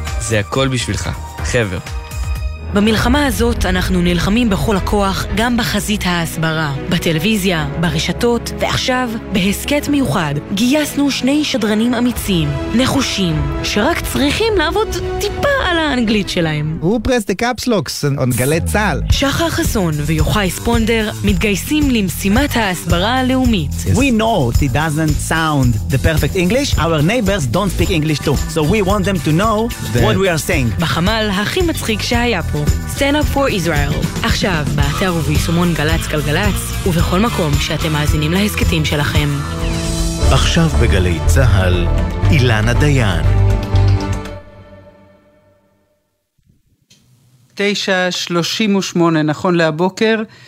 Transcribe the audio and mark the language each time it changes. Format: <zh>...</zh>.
<he>זה הכל בשבילך. חבר. במלחמה הזאת אנחנו נלחמים בכל הכוח גם בחזית ההסברה, בטלוויזיה, ברשתות, ועכשיו בהסקט מיוחד גייסנו שני שדרנים אמיצים, נחושים, שרק צריכים לעבוד טיפה על האנגלית שלהם.</he> <en>Who pressed the caps locks on גלי צהל?</en> <he>שחר חסון ויוחאי ספונדר מתגייסים למשימת ההסברה הלאומית.</he> <en>We know it doesn't sound the perfect English, our neighbors don't speak English too, so we want them to know what we are saying.</en> <he>בחמ"ל הכי מצחיק שהיה פה.</he> <en>Stand up for Israel.</en> <he>עכשיו, באתר וביישומון גלץ גלגלץ, ובכל מקום שאתם מאזינים להסקטים שלכם. עכשיו בגלי צהל, אילנה דיין. 9:38, נכון להבוקר,</he>